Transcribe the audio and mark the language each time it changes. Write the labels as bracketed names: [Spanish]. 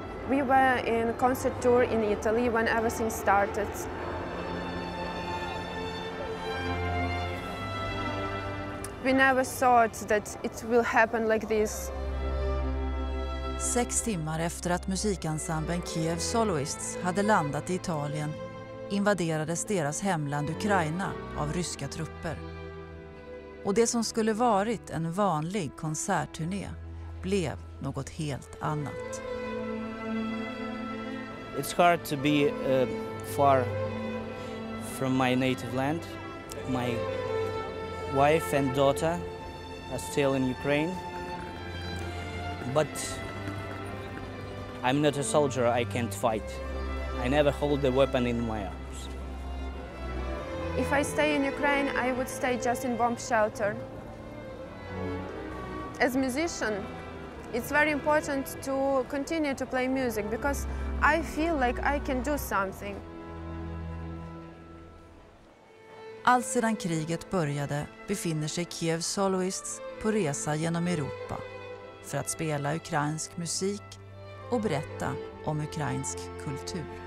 [English] We were in a concert tour in Italy when everything started. We never thought that it will happen like this. [Swedish] 6 timmar efter att musikensemblen Kiev Soloists hade landat i Italien invaderades deras hemland Ukraina av ryska trupper. Och det som skulle varit en vanlig konsertturné blev något helt annat. [English] It's hard to be far from my native land. My wife and daughter are still in Ukraine. But I'm not a soldier, I can't fight. I never hold a weapon in my arms. If I stay in Ukraine, I would stay just in bomb shelter. As a musician, it's very important to continue to play music because I feel like I can do something. [Swedish] Allt sedan kriget började befinner sig Kiev Soloists på resa genom Europa för att spela ukrainsk musik och berätta om ukrainsk kultur.